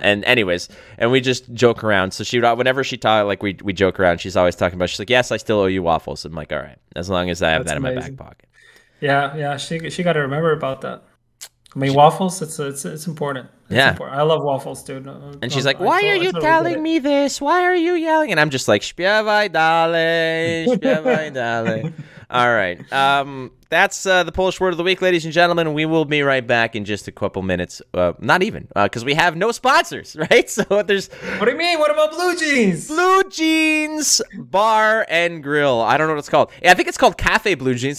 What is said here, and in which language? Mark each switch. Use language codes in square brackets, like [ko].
[en] And we just joke around. So she, whenever she talks, like we joke around, she's always talking about, she's like, yes, I still owe you waffles. I'm like, all right, as long as I have that in my back pocket. Yeah. She got to remember about that. I mean, waffles, it's important. Important. I love waffles, dude. And she's like, why are you telling me this? Why are you yelling? And I'm just like, [pl] śpiewaj dalej, śpiewaj dalej. [en] All right. That's the Polish word of the week, ladies and gentlemen. We will be right back in just a couple minutes. Not even, because we have no sponsors, right? So there's... What do you mean? What about Blue Jeans? Blue Jeans Bar and Grill. I don't know what it's called. Yeah, I think it's called Cafe Blue Jeans.